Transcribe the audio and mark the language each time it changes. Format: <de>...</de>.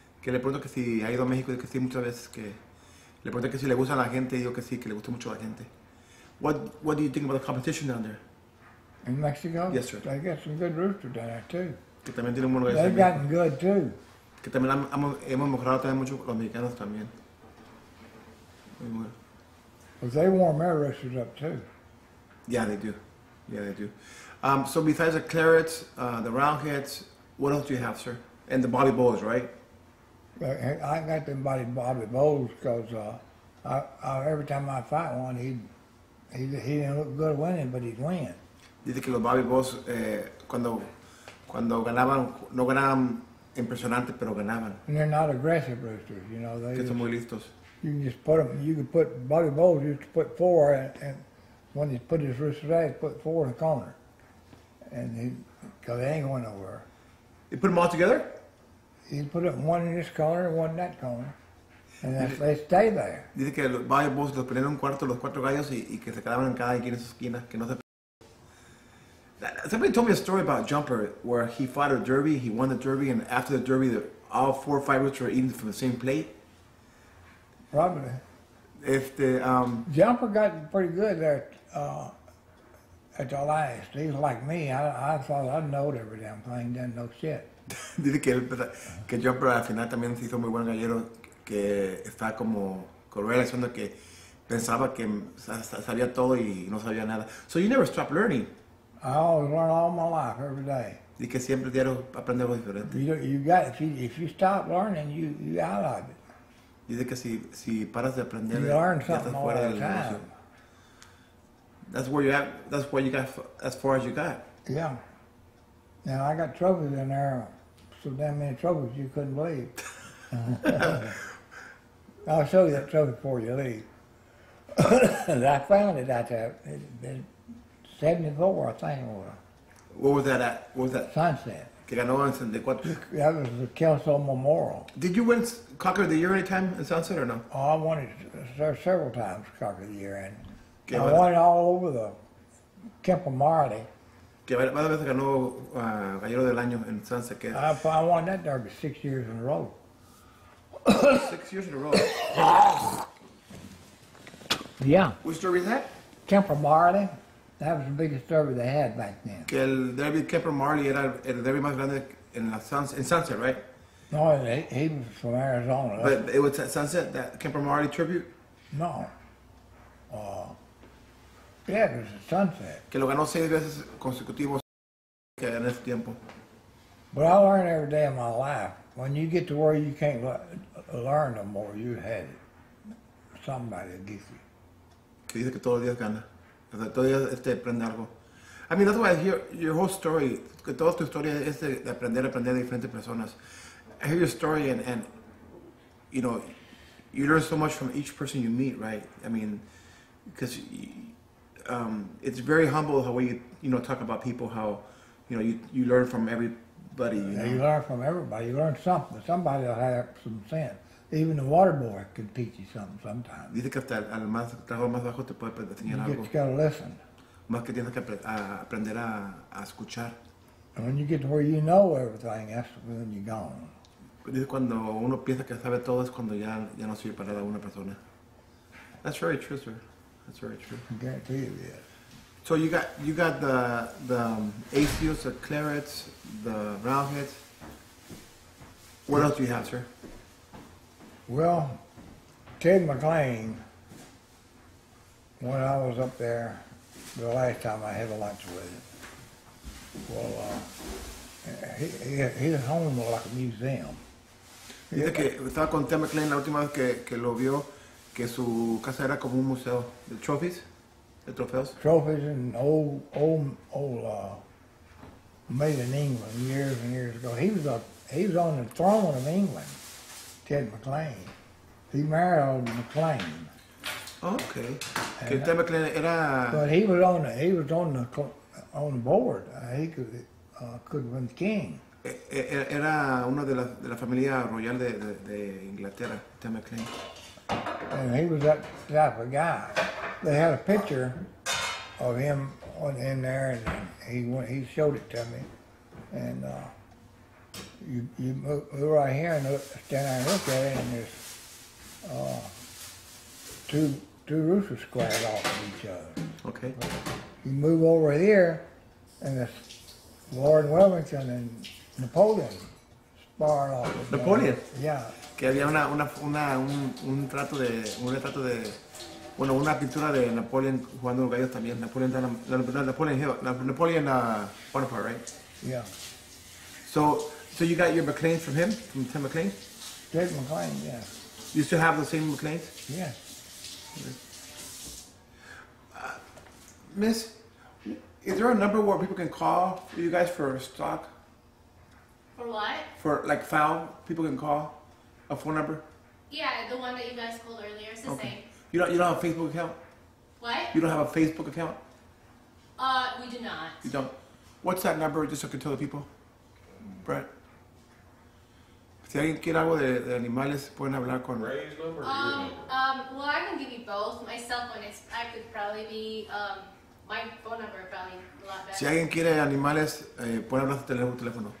<es>Que le pregunto que si ha ido a México, y que sí muchas veces, que le pregunto que si le gusta la gente, y digo que sí, que le gusta mucho la gente.</es> <en>What do you think about the competition down there? In Mexico? Yes, sir. They got some good rooster down there, too.</en> <es>Que también tienen buenos gallos.</es> <en>They've gotten good, too.</en> <es>Que también hemos mejorado también mucho los mexicanos también. Muy bueno.</es> <en>Because they warm their roosters up, too. Yeah, they do. Yeah, they do. So besides the clarets, the roundheads, what else do you have, sir? And the bobby bowls, right? I got them bobby bowls because every time I fight one, he didn't look good winning, but he'd win.</en> <es>Dice que los Bobby Boss cuando ganaban, no ganaban impresionante, pero ganaban.</es> <en>And they're not aggressive roosters, you know.</en> <es>Que son muy listos.</es> <en>You can just put them, you can put Bobby Boss, you can put four, and when he put his rooster out, put four in the corner. And because they ain't going nowhere. You put them all together? He'd put them one in this corner and one in that corner. And they stay there.</en> <es>Dice que los Bobby Boss los ponían en un cuarto, los cuatro gallos, y que se quedaban en cada esquina, que no se.</es> <en>Somebody told me a story about Jumper where he fought a derby, he won the derby, and after the derby, all four fighters were eating from the same plate. Probably. If the Jumper got pretty good at the last. He's like me. I thought I knowed every damn thing, didn't know shit.</en> <es>Dice que Jumper al final también se hizo muy buen gallero, que está como correlacionando que pensaba que sabía todo y no sabía nada.</es> <en>So you never stop learning. I always learn all my life, every day.</en> <es>Y que siempre quiero aprender algo diferente.</es> <en>If you stop learning, you out of it.</en> <es>Dice que si paras de aprender,</es> <en>you learn something all the time. That's where you're at. That's where you got as far as you got. Yeah. Now I got troubles in there. So damn many troubles you couldn't believe. I'll show you that trouble before you leave. I found it out there. 74, I think it was. What was that at? What was that? Sunset.</en> <es>Que ganó de cuatro.</es> <en>That was the Kelso Memorial. Did you win Cocker of the Year any time in Sunset or no? Oh, I won it several times, Cocker of the Year. And I won it all over the Kemp of Marley.</en> <es>Que varias veces ganó Gallero del Año en Sunset. Que...</es> <en>I won that derby 6 years in a row. 6 years in a row? Yeah. Which derby is that? Kemp of Marley. That was the biggest derby they had back then.</en> <es>Que el derby Kemp of Marley era el derby más grande en Sunset, right?</es> <en>No, he was from Arizona. But it was at Sunset, that Kemp of Marley tribute? No. Yeah, it was a Sunset.</en> <es>Que lo ganó seis veces consecutivos en ese tiempo.</es> <en>But I learned every day of my life. When you get to where you can't learn no more, you had it. Somebody will get you.</en> <es>Que dice que todos los días gana. O sea, todos los días aprende algo.</es> <en>I mean, that's why I hear your whole story.</en> <es>Que toda tu historia es de aprender de diferentes personas.</es> <en>I hear your story and, you know, you learn so much from each person you meet, right? I mean, because... it's very humble how you talk about people, how you learn from everybody. You learn from everybody. You learn something. Somebody will have some sense. Even the water boy can teach you something sometimes.</en> <es>Dice que hasta el más trabajo más bajo te puede enseñar algo.</es> <en>You just gotta listen.</en> <es>Más que tienes que aprender a escuchar.</es> <en>And when you get to where you know everything, that's when you're gone.</en> <es>Pero dice cuando uno piensa que sabe todo es cuando ya no sirve para nada una persona.</es> <en>That's very true, sir. That's very true. I guarantee you, yes. So you got the ACOs, the clarets, the roundheads. What else do you have, sir? Well, Ted McLean, when I was up there the last time I had a lunch with him, well, his home was like a museum.</en> <es>Dice que estaba con Ted McLean la última vez que lo vio. Que su casa era como un museo de trophies, de trofeos.</es> <en>Trophies and old made in England years and years ago. He was on the throne of England, Ted McLean. He married old McLean. Okay. And</en> <es>que Ted McLean era.</es> <en>But he was on the board. He could have been king.</en> <es>Era uno de la familia royal de Inglaterra, Ted McLean.</es> <en>And he was that type of guy. They had a picture of him in there, and he showed it to me. And you move right here and stand there and look at it, and there's two roosters squared off of each other. Okay. You move over here, and it's Lord Wellington and Napoleon sparred off. Napoleon? Yeah.</en> <es>Que había una pintura de Napoleon jugando los gallos también.</es> <en>Napoleon Bonaparte, right? Yeah. So you got your McLean from him, from Tim McLean? Ted McLean, yeah. You still have the same McLeans? Yeah. Miss, is there a number where people can call you guys for stock? For what? For like foul, people can call? A phone number? Yeah, the one that you guys called earlier. It's the okay. Same. You don't have a Facebook account? What? You don't have a Facebook account? We do not. You don't? What's that number, just so I can tell the people? Brett?</en> <es>Si alguien quiere algo de animales, pueden hablar con...</es> <en>Ray's number or your number? Well, I can give you both. My cell phone is... I could probably be... my phone number probably a lot better.</en> <es>Si alguien quiere animales, pueden hablar su teléfono.</es>